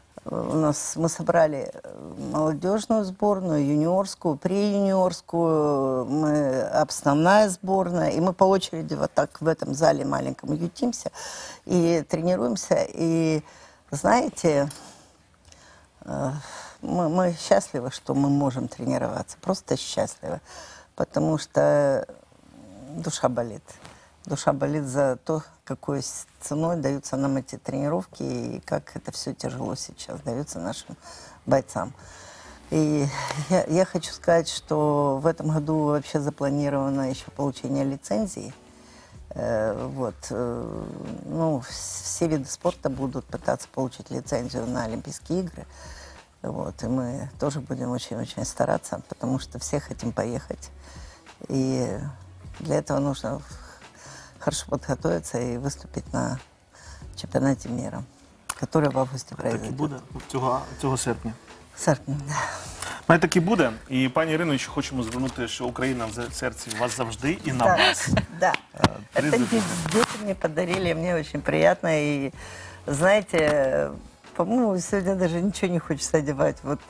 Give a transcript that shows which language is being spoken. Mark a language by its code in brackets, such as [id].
[uk] У нас ми зібрали молодіжну збірну, юніорську, преюніорську, ми основна збірна, і ми по очереді вот так в этом залі маленькому ютимся і тренуємося, і [ru] знаете, мы счастливы, что мы можем тренироваться. Просто счастливы. Потому что душа болит. Душа болит за то, какой ценой даются нам эти тренировки и как это все тяжело сейчас дается нашим бойцам. И я хочу сказать, что в этом году вообще запланировано еще получение лицензии. Вот, ну, все виды спорта будут пытаться получить лицензию на Олимпийские игры. Вот, и мы тоже будем очень-очень стараться, потому что все хотим поехать. И для этого нужно хорошо подготовиться и выступить на чемпионате мира, который в августе произойдет. Так и будет [uk] цього серпня. Серпня, да. Ми так і буде. І, пані Ірино, ще хочемо звернути, що Україна в серці у вас завжди і на вас. Так, так. Діти мені подарили, мені дуже приємно. І, знаєте, по-моєму, сьогодні навіть нічого не хочеться одягати.